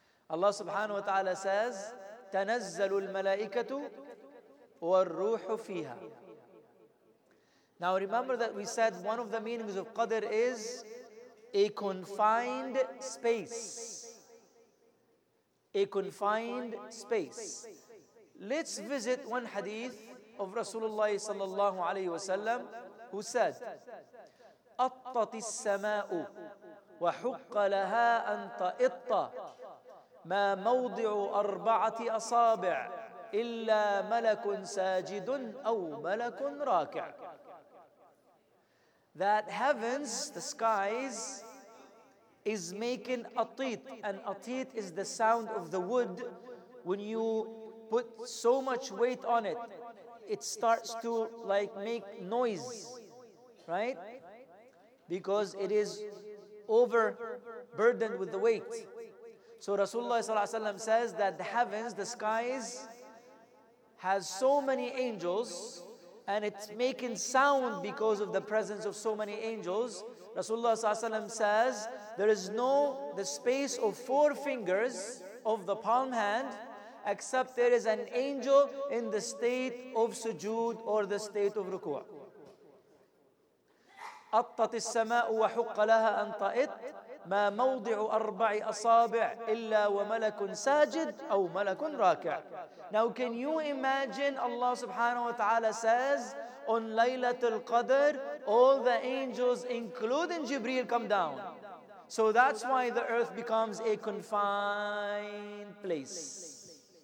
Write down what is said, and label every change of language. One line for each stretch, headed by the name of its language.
English: Allah subhanahu wa ta'ala says,
Arabic: تَنَزَّلُ الْمَلَائِكَةُ وَالْرُوحُ فِيهَا.
English: Now remember that we said one of the meanings of Qadr is a confined space. A confined space. Let's visit one hadith of Rasulullah sallallahu alayhi wa sallam, who said,
Arabic: أَطَّتِ السَّمَاءُ وَحُقَّ لَهَا أَن تَأِطَّ ما موضع أربعة أصابع إلا ملك ساجد أو ملك راكع.
English: That heavens, the skies, is making a teet. And a teet is the sound of the wood. When you put so much weight on it, it starts to like make noise, right? Because it is overburdened with the weight. So Rasulullah ﷺ says that the heavens, the skies, has so many angels, and it's making sound because of the presence of so many angels. Rasulullah ﷺ says there is no the space of four fingers of the palm hand, except there is an angel in the state of sujood or the state of ruku'.
Arabic: أطت السماء وحق لها أن تأط ما موضع أربع أصابع إلا وملك ساجد أو ملك راكع.
English: Now can you imagine Allah subhanahu wa ta'ala says on Laylatul Qadr all the angels including Jibreel come down. So that's why the earth becomes a confined place.